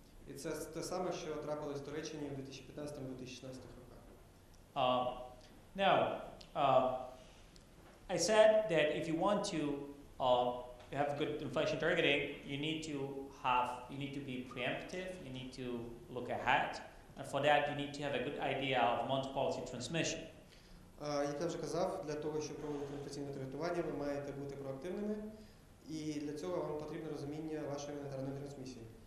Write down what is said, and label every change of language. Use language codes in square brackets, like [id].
[uk] І це те саме, що трапилось до речення в 2015-2016 роках. [en] I said that if you want to have good inflation targeting, you need to be preemptive, you need to look ahead, and for that you need to have a good idea of monetary policy transmission. [uk] Як я вже казав, для того, щоб проводити інфляційне таргетування, ви маєте бути проактивними, і для цього вам потрібно розуміння вашої монетарної трансмісії.